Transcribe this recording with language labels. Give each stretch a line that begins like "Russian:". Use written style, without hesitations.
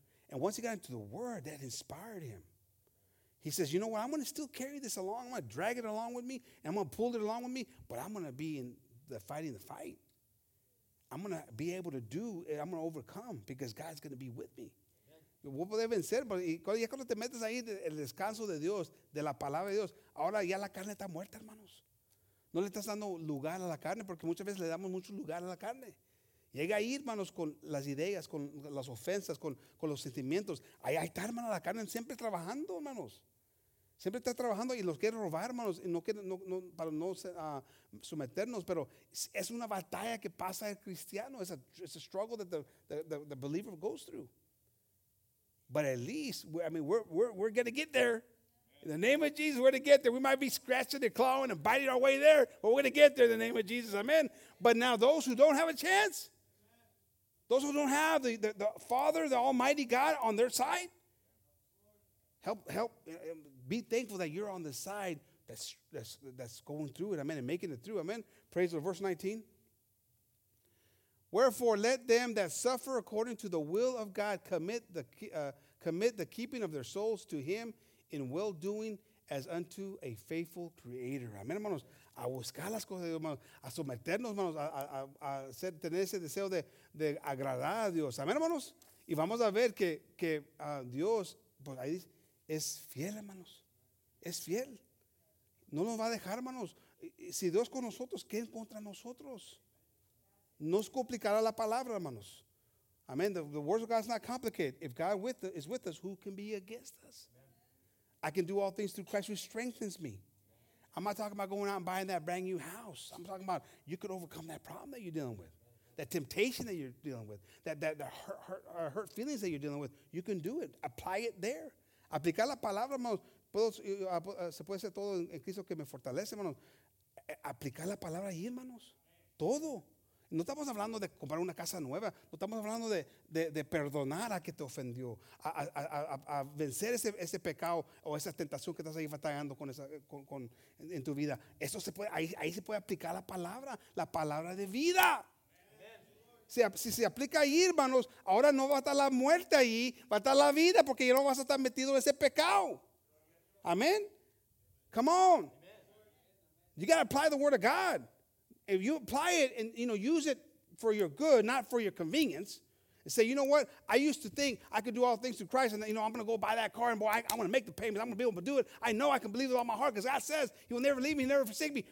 English: And once he got into the word, that inspired him. He says, you know what? I'm going to still carry this along. I'm going to drag it along with me, and I'm going to pull it along with me, but I'm going to be in the fighting the fight. I'm going to be able to do it. I'm going to overcome because God's going to be with me.
Spanish: Vos podés vencer, pero ya cuando te metes ahí, el descanso de Dios, de la palabra de Dios, ahora ya la carne está muerta, hermanos. No le estás dando lugar a la carne, porque muchas veces le damos mucho lugar a la carne. Llega ahí, hermanos, con las ideas, con las ofensas, con los sentimientos. Ahí está, hermano, la carne siempre trabajando, hermanos. Siempre está trabajando y los quiere robar, hermanos, y no para someternos, pero es una batalla que pasa el cristiano.
English: It's a struggle that the believer goes through. But at least, we're going to get there. In the name of Jesus, we're going to get there. We might be scratching and clawing and biting our way there, but we're going to get there in the name of Jesus. Amen. But now those who don't have a chance, those who don't have the Father, the Almighty God on their side, help be thankful that you're on the side that's going through it. Amen. And making it through. Amen. Praise the Lord. Verse 19. Wherefore, let them that suffer according to the will of God commit the keeping of their souls to him in well-doing as unto a faithful creator.
Spanish: Amén, hermanos. A buscar las cosas de Dios, hermanos. A someternos, hermanos. A tener ese deseo de agradar a Dios. Amén, hermanos. Y vamos a ver que Dios, pues ahí dice, es fiel, hermanos. Es fiel. No nos va a dejar, hermanos. Si Dios con nosotros, ¿quién contra nosotros? No es complicada la palabra, hermanos. Amen.
English: The words of God is not complicated. If God is with us, who can be against us? Amen. I can do all things through Christ who strengthens me. Amen. I'm not talking about going out and buying that brand new house. I'm talking about you could overcome that problem that you're dealing with, that temptation that you're dealing with, that hurt feelings that you're dealing with. You can do it. Apply it there.
Spanish: Aplicar la palabra, hermanos.
English: Se puede hacer todo en Cristo que me fortalece, hermanos. Aplicar la palabra ahí, hermanos. Todo.
Spanish: No estamos hablando de comprar una casa nueva. No estamos hablando de perdonar a que te ofendió. A vencer ese pecado o esa tentación que estás ahí batallando en tu vida. Eso se puede, ahí se puede aplicar la palabra de vida. Si se aplica ahí, hermanos, ahora no va a estar la muerte ahí, va a estar la vida porque ya no vas a estar metido en ese pecado. Amén.
English: Come on. You got to apply the word of God. If you apply it and, you know, use it for your good, not for your convenience, and say, you know what? I used to think I could do all things through Christ, and, you know, I'm going to go buy that car, and, boy, I want to make the payments. I'm going to be able to do it. I know I can believe it with all my heart because God says he will never leave me, never forsake me.